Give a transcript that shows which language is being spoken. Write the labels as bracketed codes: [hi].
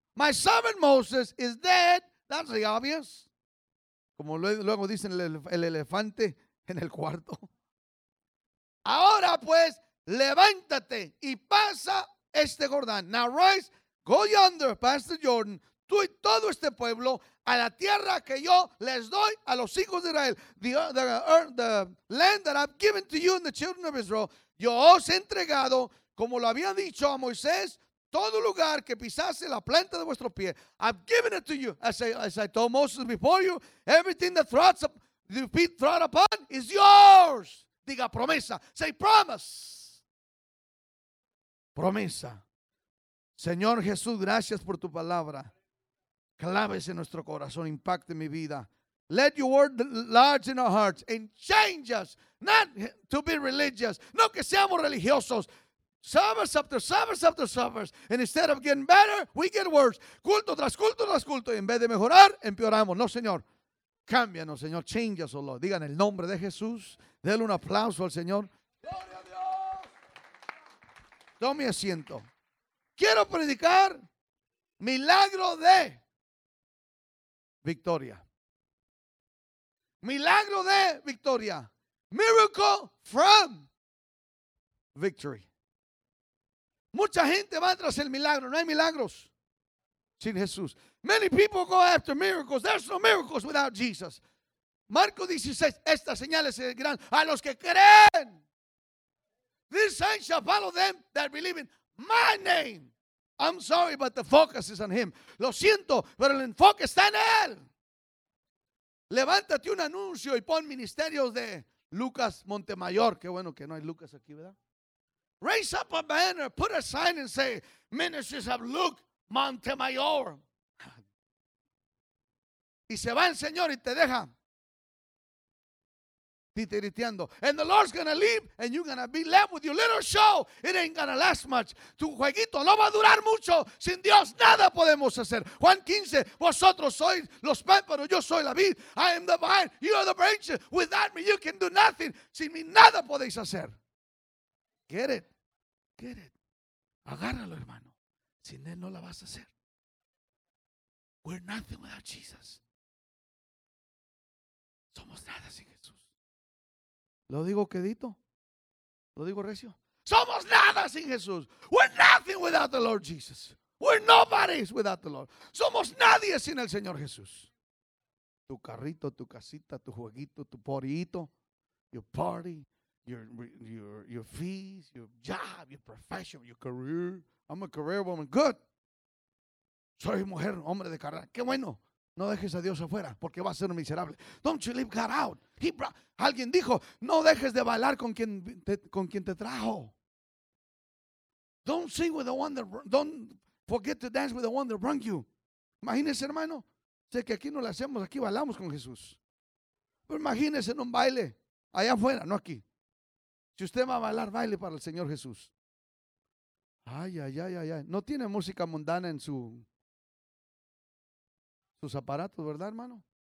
[en] My servant Moses is dead, that's the obvious. [es] Como luego dicen el elefante en el cuarto. Ahora pues, levántate y pasa este Jordán. [en] Now rise, go yonder, past the Jordan, [es] tú y todo este pueblo, a la tierra que yo les doy a los hijos de Israel, [en] the land that I've given to you and the children of Israel. [es] Yo os he entregado, como lo había dicho a Moisés, todo lugar que pisase la planta de vuestro pie. [en] I've given it to you, as I told Moses before you, everything that throughs up, the feet throughs upon is yours. [es] Diga promesa, [en] say promise. [es] Promesa. Señor Jesús, gracias por tu palabra. Claves en nuestro corazón, impacte mi vida. [en] Let your word lodge in our hearts and change us, not to be religious. [es] No que seamos religiosos. [en] Service after service after service. And instead of getting better, we get worse. [es] Culto tras culto tras culto. Y en vez de mejorar, empeoramos. No, Señor. Cámbianos, Señor. [en] Change us, oh Lord. [es] Digan el nombre de Jesús. Denle un aplauso al Señor. ¡Gloria a Dios! Tome asiento. Quiero predicar milagro de victoria. Milagro de victoria. [en] Miracle from victory. [es] Mucha gente va tras el milagro. No hay milagros sin Jesús. [en] Many people go after miracles. There's no miracles without Jesus. Marcos 16. [es] Estas señales serán a los que creen. [en] This sign shall follow them that believe in my name. I'm sorry, but the focus is on him. [es] Lo siento, pero el enfoque está en él. Levántate un anuncio y pon ministerios de Lucas Montemayor. Qué bueno que no hay Lucas aquí, ¿verdad? [en] Raise up a banner, put a sign and say, ministries of Luke Montemayor. [es] Y se va el Señor y te deja titiriteando. [en] And the Lord's going to leave and you're going to be left with your little show. It ain't going to last much. [es] Tu jueguito no va a durar mucho. Sin Dios nada podemos hacer. Juan 15, vosotros sois los pámpanos, yo soy la vid. [en] I am the vine, you are the branches. Without me you can do nothing. [es] Sin mí nada podéis hacer. [en] Get it. Get it. [es] Agárralo, hermano. Sin él no la vas a hacer. [en] We're nothing without Jesus. [es] Somos nada sin Jesús. ¿Lo digo quedito? ¿Lo digo recio? Somos nada sin Jesús. [en] We're nothing without the Lord Jesus. We're nobodies without the Lord. [es] Somos nadie sin el Señor Jesús. Tu carrito, tu casita, tu jueguito, tu porito, [en] your party, your fees, your job, your profession, your career. I'm a career woman. Good. [es] Soy mujer, hombre de carrera. Qué bueno. No dejes a Dios afuera porque va a ser un miserable. [en] Don't you leave God out. [es] Alguien dijo, no dejes de bailar con quien te trajo. [en] Don't sing with the one that, don't forget to dance with the one that brought you. [es] Imagínese, hermano, sé que aquí no lo hacemos, aquí bailamos con Jesús. Pero imagínese en un baile, allá afuera, no aquí. Si usted va a bailar, baile para el Señor Jesús. Ay, ay, ay, ay, ay. No tiene música mundana en sus aparatos, ¿verdad, hermano?